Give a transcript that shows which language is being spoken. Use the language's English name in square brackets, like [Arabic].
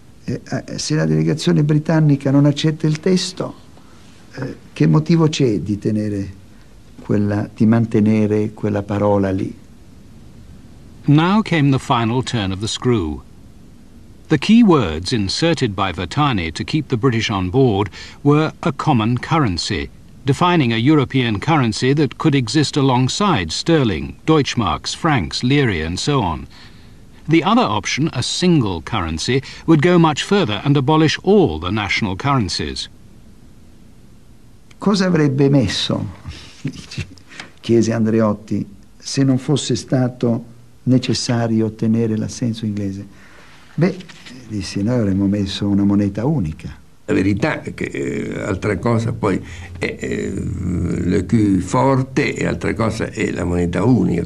[Italian] Se la delegazione britannica non accetta il testo, che motivo c'è di mantenere quella parola lì? [English] Now came the final turn of the screw. The key words inserted by Vattani to keep the British on board were a common currency, defining a European currency that could exist alongside sterling, Deutschmarks, francs, lire, and so on. The other option, a single currency, would go much further and abolish all the national currencies. [Italian] Cosa avrebbe messo, chiese Andreotti, se non fosse stato necessari ottenere l'assenso inglese. Beh, dissi, noi avremmo messo una moneta unica. La verità è che altra cosa poi è le più forte e altra cosa è la moneta unica.